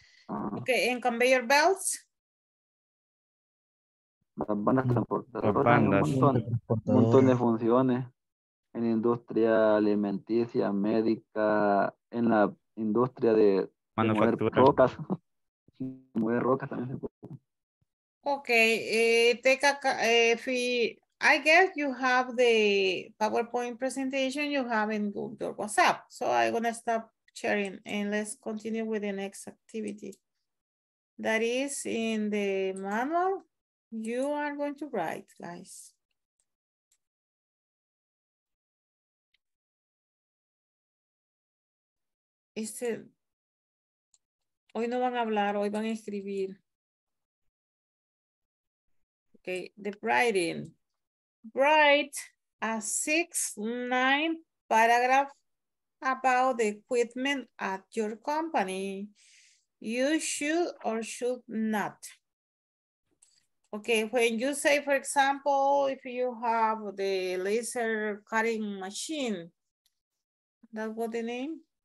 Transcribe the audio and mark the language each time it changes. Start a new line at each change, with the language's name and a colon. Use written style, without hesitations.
English: Okay, and conveyor belts.
Spanish: Las bandas transportadoras, un montón de funciones en industria alimenticia, médica, en la industria de mover rocas. Mover rocas también se puede.
English: Okay, I guess you have the PowerPoint presentation you have in your WhatsApp. So I'm gonna stop sharing and let's continue with the next activity. That is in the manual. You are going to write, guys.
Spanish: Hoy no van a hablar, hoy van a escribir.
English: Okay, the writing. Write a 6-9 paragraph about the equipment at your company. You should or should not. Okay, when you say, for example, if you have the laser cutting machine, that's what the name?